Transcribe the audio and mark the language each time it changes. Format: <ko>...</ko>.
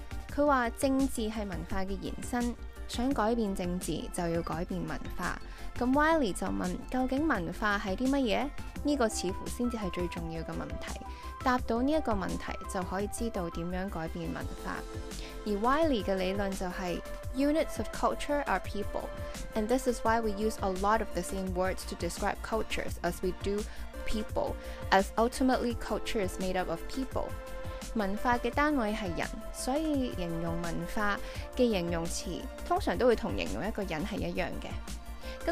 <yue>他说政治是文化的延伸，想改变政治就要改变文化。咁 Wiley 就问，究竟文化系啲乜嘢？呢个似乎先至系最重要嘅问题。答到呢一个问题，就可以知道点样改变文化。而 Wiley 嘅理论就系</yue> <en>units of culture are people， and this is why we use a lot of the same words to describe cultures as we do people， as ultimately culture is made up of people。</en> <yue>文化的单位是人，所以形容文化的形容词通常都会同形容一个人是一样的。</yue>